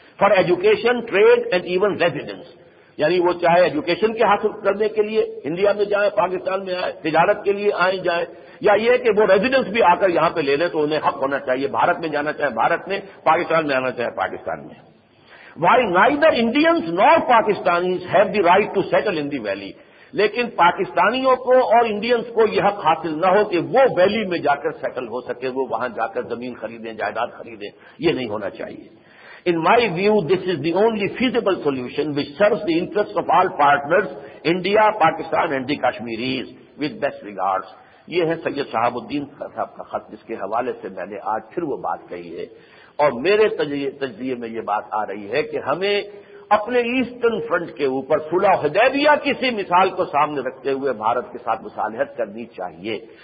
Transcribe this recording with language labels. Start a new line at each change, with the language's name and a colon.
English: for education trade and even residence,
Urdu: یعنی وہ چاہے ایجوکیشن کے حاصل کرنے کے لیے انڈیا میں جائیں پاکستان میں آئیں, تجارت کے لیے آئیں جائیں, یا یہ کہ وہ ریزیڈنس بھی آ کر یہاں پہ لے لیں تو انہیں حق ہونا چاہیے بھارت میں جانا چاہے بھارت میں, پاکستان میں آنا چاہے پاکستان میں.
English: Why neither Indians nor Pakistanis have the right to settle in the valley.
Urdu: لیکن پاکستانیوں کو اور انڈینس کو یہ حق حاصل نہ ہو کہ وہ ویلی میں جا کر سیٹل ہو سکے, وہ وہاں جا کر زمین خریدیں جائیداد خریدیں, یہ نہیں ہونا چاہیے.
English: In my view, this is the only feasible solution which serves the interests of all partners, India, Pakistan and the Kashmiris, with best regards.
Urdu: یہ ہے سید شہاب الدین صاحب کا خط, جس کے حوالے سے میں نے آج پھر وہ بات کہی ہے, اور میرے تجزیے میں یہ بات آ رہی ہے کہ ہمیں اپنے ایسٹرن فرنٹ کے اوپر صلح حدیبیہ کسی مثال کو سامنے رکھتے ہوئے بھارت کے ساتھ مصالحت کرنی چاہیے.